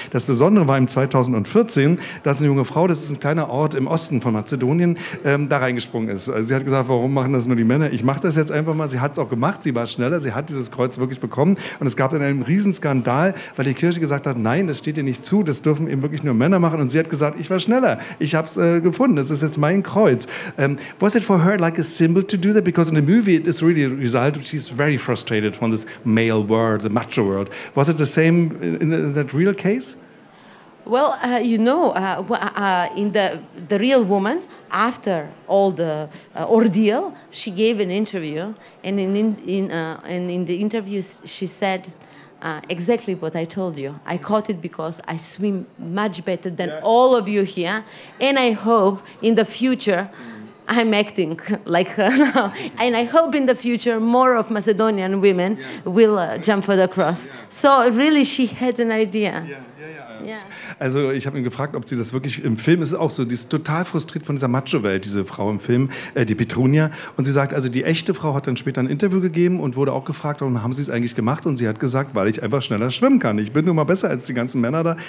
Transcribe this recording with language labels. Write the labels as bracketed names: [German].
[German] Das Besondere war im 2014, dass eine junge Frau, das ist ein kleiner Ort im Osten von Mazedonien, da reingesprungen ist. Also sie hat gesagt, warum machen das nur die Männer? Ich mache das jetzt einfach mal. Sie hat es auch gemacht, sie war schneller, sie hat dieses Kreuz wirklich bekommen. Und es gab dann einen Riesenskandal, weil die Kirche gesagt hat, nein, das steht ihr nicht zu, das dürfen eben wirklich nur Männer machen. Und sie hat gesagt, ich war schneller, ich habe es gefunden, das ist jetzt mein Kreuz. [English] Was it for her like a symbol to do that? Because in the movie it is really a result, she's very frustrated from this male world, the macho world. Was it the same in that real case? Well, you know, in the real woman, after all the ordeal, she gave an interview, and in the interview she said exactly what I told you. I caught it because I swim much better than all of you here, and I hope in the future I'm acting like her now. And I hope in the future more of Macedonian women will jump for the cross. Yeah. So really she had an idea. [German] Also ich habe ihn gefragt, ob sie das wirklich im Film, ist auch so, die ist total frustriert von dieser Macho-Welt, diese Frau im Film, die Petrunia. Und sie sagt, also die echte Frau hat dann später ein Interview gegeben und wurde auch gefragt, warum haben sie es eigentlich gemacht? Und sie hat gesagt, weil ich einfach schneller schwimmen kann. Ich bin nun mal besser als die ganzen Männer da.